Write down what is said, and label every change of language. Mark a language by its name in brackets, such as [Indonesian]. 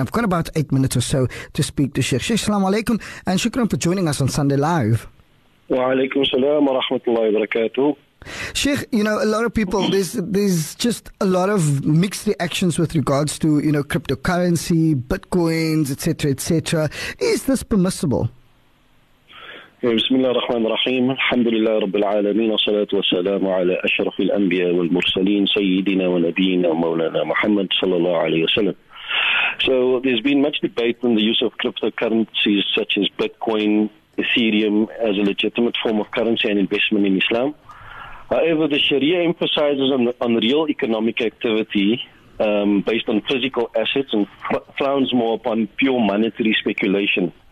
[English] I've got about 8 minutes or so to speak to Shaykh. Shaykh, assalamu alaikum and shukran for joining us on Sunday Live. [Arabic] Wa alaikum salam wa rahmatullahi wa barakatuh. [English] Sheikh, a lot of people, there's just a lot of mixed reactions with regards to, cryptocurrency, bitcoins, etc., etc. Is this permissible? [Arabic] بسم الله الرحمن الرحيم الحمد لله رب العالمين والصلاة والسلام على أشرف الأنبياء والمرسلين سيدنا ونبينا مولانا محمد صلى الله عليه وسلم. [English] So there's been much debate on the use of cryptocurrencies such as Bitcoin, Ethereum as a legitimate form of currency and investment in Islam. However, the Sharia emphasizes on real economic activity based on physical assets and frowns more upon pure monetary speculation.